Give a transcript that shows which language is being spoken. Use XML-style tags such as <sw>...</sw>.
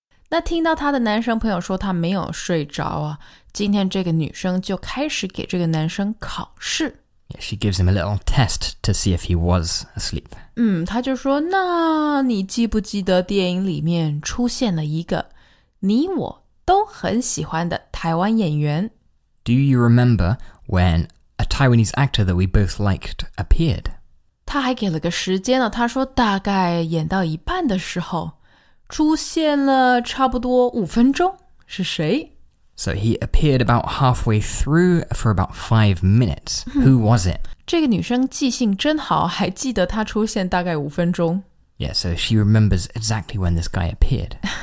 <zh>那听到他的男生朋友说他没有睡着啊, 今天这个女生就开始给这个男生考试。</zh> <en>Yeah, she gives him a little test to see if he was asleep.</en> <zh>他就说, 那你记不记得电影里面出现了一个你我都很喜欢的台湾演员?</zh> <en>Do you remember when a Taiwanese actor that we both liked appeared?</en> <zh>他还给了个时间啊, 他说大概演到一半的时候, 出现了差不多5分钟,是谁?</zh> <en>So he appeared about halfway through for about 5 minutes. Who was it?</en> <zh>这个女生记性真好,还记得他出现大概5分钟。</zh> <en>Yeah, so she remembers exactly when this guy appeared.</en>